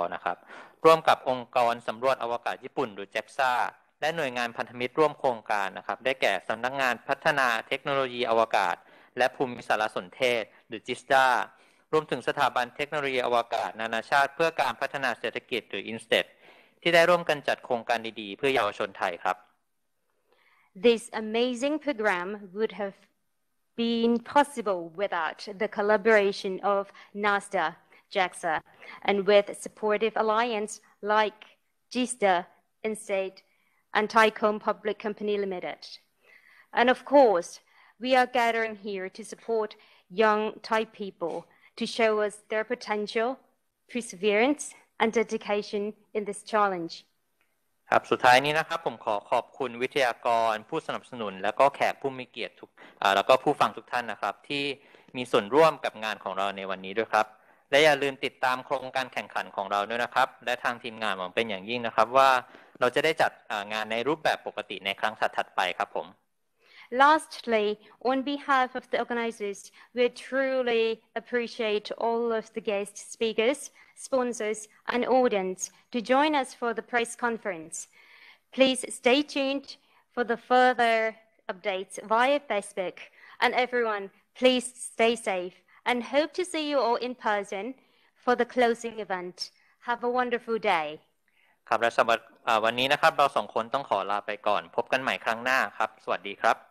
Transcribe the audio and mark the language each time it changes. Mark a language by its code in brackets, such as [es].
[th] นะครับร่วมกับองค์กรสำรวจอวกาศญี่ปุ่นหรือ JAXA และหน่วยงานพันธมิตรร่วมโครงการนะครับได้แก่สำนักงานพัฒนาเทคโนโลยีอวกาศและภูมิสารสนเทศหรือ JISTA รวมถึงสถาบันเทคโนโลยีอวกาศนานาชาติเพื่อการพัฒนาเศรษฐกิจหรือ INSTED ที่ได้ร่วมกันจัดโครงการดีๆเพื่อเยาวชนไทยครับ [en] This amazing program would haveBeen possible without the collaboration of NASDA, JAXA, and with supportive alliance like JISTA, INSTED, and Thaicom Public Company Limited. And of course, we are gathering here to support young Thai people to show us their potential, perseverance, and dedication in this challenge. [th] ครับสุดท้ายนี้นะครับผมขอขอบคุณวิทยากรผู้สนับสนุนแล้วก็แขกผู้มีเกียรติทุกแล้วก็ผู้ฟังทุกท่านนะครับที่มีส่วนร่วมกับงานของเราในวันนี้ด้วยครับและอย่าลืมติดตามโครงการแข่งขันของเราด้วยนะครับและทางทีมงานหวังเป็นอย่างยิ่งนะครับว่าเราจะได้จัดงานในรูปแบบปกติในครั้งถัดไปครับผม [en] Lastly on behalf of the organizers we truly appreciate all of the guest speakersSponsors and audience to join us for the press conference. Please stay tuned for the further updates via Facebook. And everyone, please stay safe and hope to see you all in person for the closing event. Have a wonderful day. [th] ครับและสำหรับวันนี้นะครับเราสองคนต้องขอลาไปก่อนพบกันใหม่ครั้งหน้าครับสวัสดีครับ